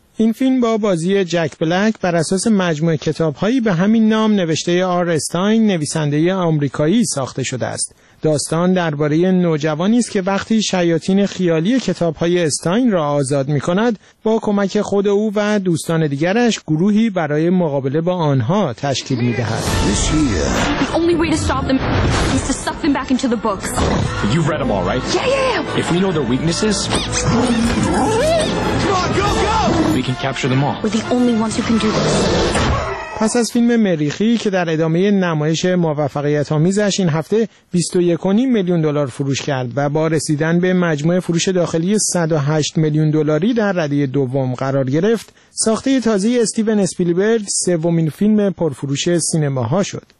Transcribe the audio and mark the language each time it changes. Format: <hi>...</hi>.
<fa>این فیلم با بازی جک بلک بر اساس مجموعه کتاب‌هایی به همین نام نوشته آر استاین نویسنده آمریکایی ساخته شده است. داستان درباره نوجوانی است که وقتی شیاطین خیالی کتاب‌های استاین را آزاد می‌کند، با کمک خود او و دوستان دیگرش گروهی برای مقابله با آنها تشکیل می‌دهد.</fa> <en>The only way to stop them is to suck them back into the books. You've read them all, right? Yeah, yeah. If we know their weaknesses, we can capture them all. We're the only ones who can do this.</en> <fa>پس از فیلم مریخی که در ادامه نمایش موفقیت آمیزش این هفته 21.5 میلیون دلار فروش کرد و با رسیدن به مجموع فروش داخلی 108 میلیون دلاری در رده دوم قرار گرفت، ساخته تازه استیون اسپیلبرگ سومین فیلم پرفروش سینماها شد.</fa>